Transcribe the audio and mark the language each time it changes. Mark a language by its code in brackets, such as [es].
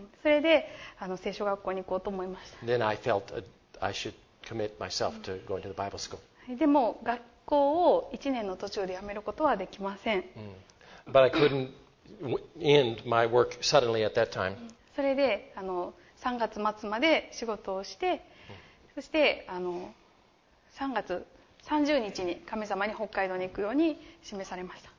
[ja] それで聖書学校に行こうと思いました。 [en] Then I felt I should commit myself to going to the Bible school. [ja] でも学校を1年の途中で辞めることはできません。 [en] But I couldn't end my work suddenly at that time. [ja] それで3月末まで仕事をして、そして3月30日に神様に北海道に行くように示されました。